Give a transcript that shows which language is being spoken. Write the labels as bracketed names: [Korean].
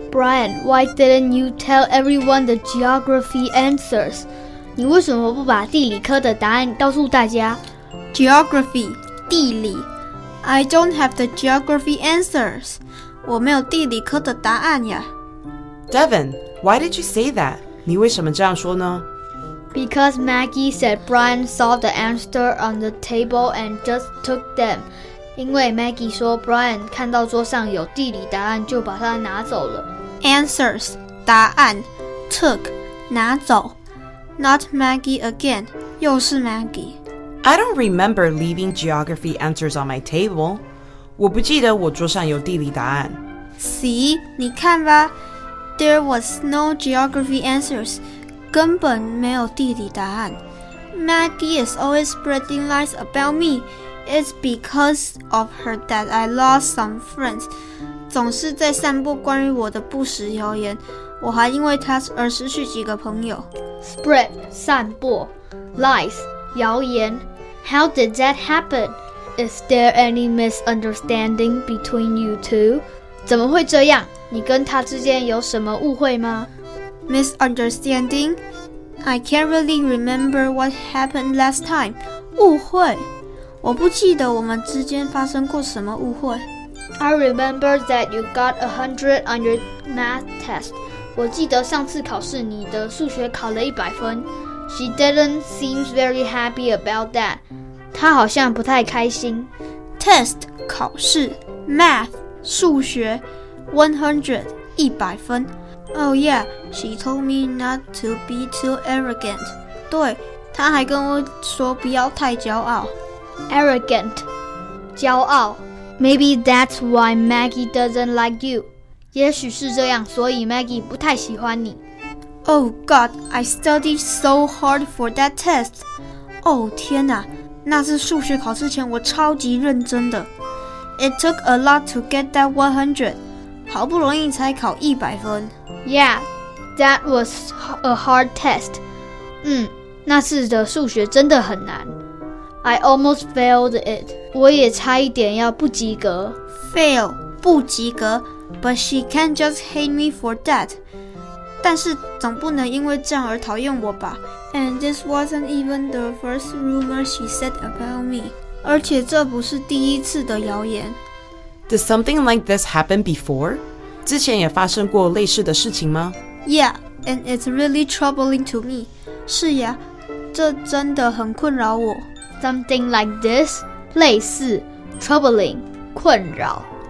[English] Brian, why didn't you tell everyone the geography answers? [Chinese] 你为什么不把地理科的答案告诉大家？ [English] Geography, 地理。I don't have the geography answers. [Chinese] 我没有地理科的答案呀。 [English] Devon, why did you say that? [Chinese] 你为什么这样说呢？ [English] Because Maggie said Brian saw the answer on the table and just took them. [Chinese] 因为 Maggie 说 Brian 看到桌上有地理答案就把它拿走了。 [English] Answers, 答案 took, 拿走。 Not Maggie again, [Chinese] 又是 [English] Maggie. I don't remember leaving geography answers on my table. [Chinese] 我不记得我桌上有地理答案。 [English] See, [Chinese] 你看吧。 [English] There was no geography answers. [Chinese] 根本没有地理答案。 [English] Maggie is always spreading lies about me. It's because of her that I lost some friends. [Chinese] 总是在散布关于我的不实谣言，我还因为她而失去几个朋友。 [English] Spread, 散播。Lies, 谣言。 How did that happen? Is there any misunderstanding between you two? [Chinese] 怎么会这样？你跟她之间有什么误会吗？ [English] Misunderstanding? I can't really remember what happened last time. [Chinese] 误会。我不记得我们之间发生过什么误会。 [English] I remember that you got 100 on your math test. [Chinese] 我记得上次考试你的数学考了100分。 [English] She didn't seem very happy about that. [Chinese] 她好像不太开心。 [English] Test, 考试。Math, 数学。 100, 100分。 Oh yeah, she told me not to be too arrogant. [Chinese] 对，她还跟我说不要太骄傲。 [English] Arrogant, 骄傲。Maybe that's why Maggie doesn't like you. [Chinese] 也许是这样，所以 Maggie 不太喜欢你。 [English] Oh God, I studied so hard for that test. [Chinese] 哦，天哪，那次数学考试前我超级认真的。 [English] It took a lot to get that 100. [Chinese] 好不容易才考100分。 [English] Yeah, that was a hard test. [Chinese] 那次的数学真的很难。 [English] I almost failed it. [Chinese] 我也差一点要不及格。 [English] Fail, 不及格。 But she can't just hate me for that. [Chinese] 但是总不能因为这样而讨厌我吧。 [English] And this wasn't even the first rumor she said about me. [Chinese] 而且这不是第一次的谣言。 [English] Did something like this happen before? [Chinese] 之前也发生过类似的事情吗？ [English] Yeah, and it's really troubling to me. [Chinese] 是呀，这真的很困扰我。 [English] Something like this? [Chinese] 类似 [English] troubling, 困扰。